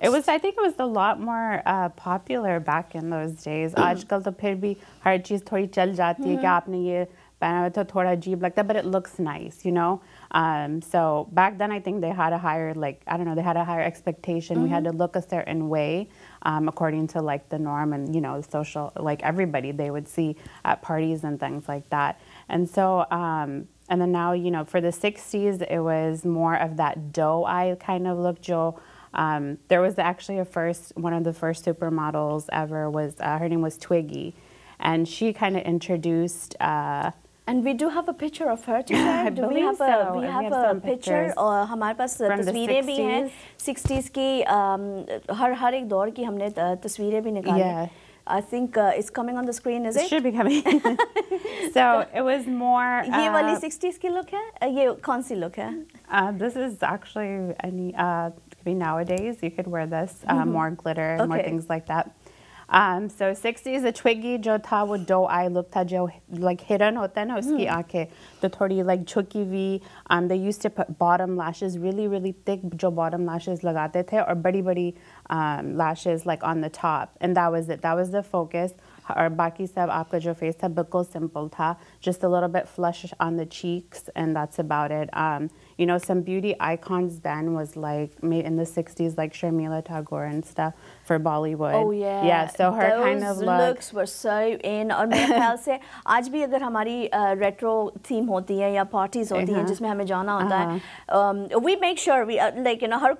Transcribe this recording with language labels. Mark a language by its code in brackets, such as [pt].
[en] It was, I think it was a lot more popular back in those days. [ur] آج کل تو پھر بھی ہر چیز تھوڑی چل جاتی ہے کی آپنے یہ پہنا ہے تو تھوڑا عجیب لگتا، [en] but it looks nice, you know. So back then I think they had a higher, like, I don't know, they had a higher expectation. We had to look a certain way according to like the norm and, you know, social, like everybody they would see at parties and things like that. And so and then now, you know, for the 60s, it was more of that doe eye kind of look, Joe. There was actually one of the first supermodels ever was, her name was Twiggy. and she kind of introduced. And we do have a picture of her to share. I think it's coming on the screen, is it? It should be coming. So it was more... [ur] Ye wali 60s ki look hai? Ye kaun si look hai? [en] This is actually, nowadays you could wear this, more glitter and more things like that. [ur] So 60s، a twiggy جو تھا وہ دو eye look تھا جو like hidden ہوتا نا اسکی آکے۔ [en] The [ur] thodi like chuki vi, [en] they used to put bottom lashes, really, really thick [ur] jo bottom lashes lagate the, [en] or [ur] badi badi [en] lashes like on the top. And that was it. That was the focus. [ur] اور باقی سب آپکا جو face تھا، بلکل simple تھا۔ [en] Just a little bit flush on the cheeks and that's about it. You know, some beauty icons then was like made in the 60s, like Sharmila Tagore and stuff for Bollywood. Oh, yeah. Yeah, so her kind of look. Those looks were so in. And I think that if we have a retro theme or parties, we make sure we, like, you know,